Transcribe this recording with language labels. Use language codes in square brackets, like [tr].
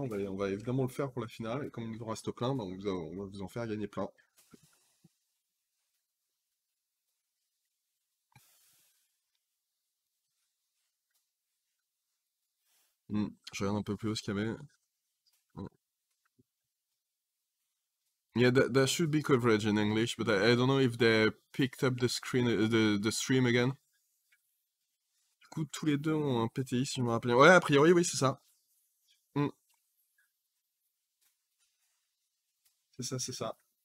[fr] On va évidemment le faire pour la finale. Et comme il nous reste plein, on va vous en faire gagner plein. Je regarde un peu plus haut ce qu'il y avait. [en] Yeah, there should be coverage in English, but I don't know if they picked up the stream again. [fr] Du coup, tous les deux ont un PTI, si je me rappelle. Ouais, a priori, oui, c'est ça. C'est ça, c'est ça.